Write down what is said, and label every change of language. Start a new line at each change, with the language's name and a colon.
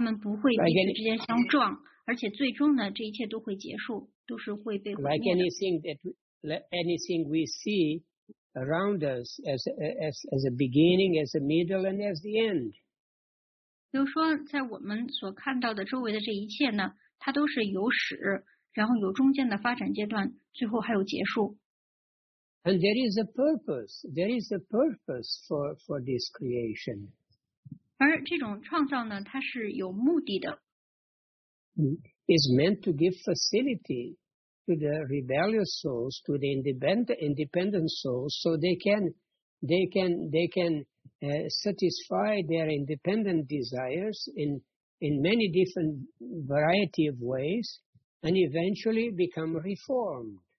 Chinese: 他们这一切呢是被创造出来的，并且呢是被非常有序的维护着，在相互和谐的状态下在运行着，他们不会彼此之间相撞。而且最终呢，这一切都会结束，都是会被毁灭的。
English: Like anything we see around us as a beginning, as a middle, and as the end.
Chinese: 比如说，在我们所看到的周围的这一切呢，它都是有始，然后有中间的发展阶段，最后还有结束。
English: And there is a purpose for this creation.
Chinese: 而这种创造呢，它是有目的的。
English: Is meant to give facility to the rebellious souls, to the independent souls, so they can satisfy their independent desires in many different variety of ways, and eventually become reformed.